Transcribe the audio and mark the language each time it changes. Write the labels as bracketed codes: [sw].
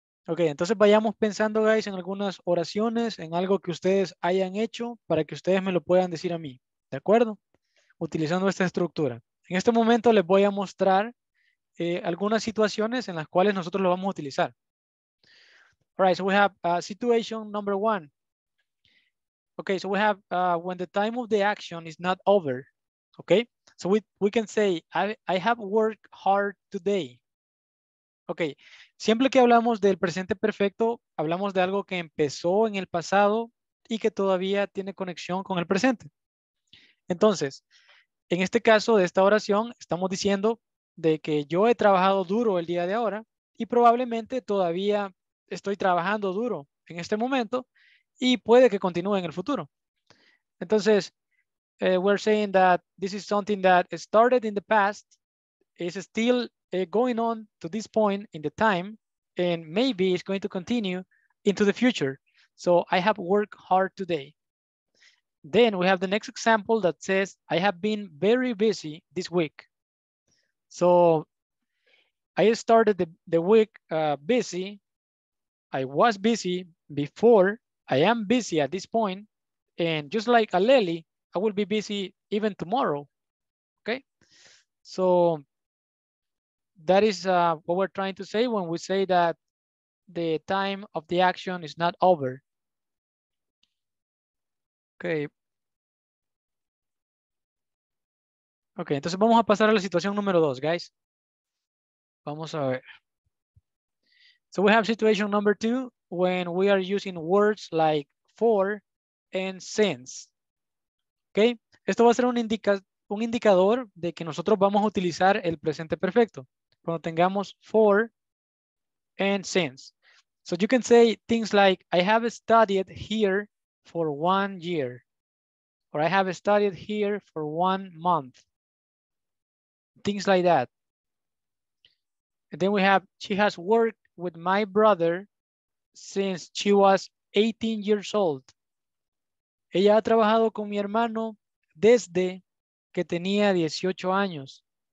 [es] Ok, entonces vayamos pensando, guys, en algunas oraciones, en algo que ustedes hayan hecho para que ustedes me lo puedan decir a mí, ¿de acuerdo? Utilizando esta estructura. En este momento les voy a mostrar algunas situaciones en las cuales nosotros lo vamos a utilizar. [en] All right, so we have situation number one. Ok, so we have when the time of the action is not over. Ok, so we can say, I have worked hard today. [es] Ok, siempre que hablamos del presente perfecto, hablamos de algo que empezó en el pasado y que todavía tiene conexión con el presente. Entonces, en este caso de esta oración, estamos diciendo de que yo he trabajado duro el día de ahora y probablemente todavía estoy trabajando duro en este momento y puede que continúe en el futuro. [en] Entonces, we're saying that this is something that started in the past, is still going on to this point in the time, and maybe it's going to continue into the future. So I have worked hard today. Then we have the next example that says, I have been very busy this week. So I started the week busy. I was busy before. I am busy at this point. And just like Aleli, I will be busy even tomorrow. Okay. So that is what we're trying to say when we say that the time of the action is not over. Okay. [es] Okay, entonces vamos a pasar a la situación número dos, guys. Vamos a ver. [en] So we have situation number two when we are using words like for and since. [es] Okay, esto va a ser un indicador de que nosotros vamos a utilizar el presente perfecto. Cuando tengamos for and since. [en] So you can say things like, I have studied here for 1 year. Or I have studied here for 1 month. Things like that. And then we have, she has worked with my brother since she was 18 years old. [es] Ella ha trabajado con mi hermano desde que tenía 18 años.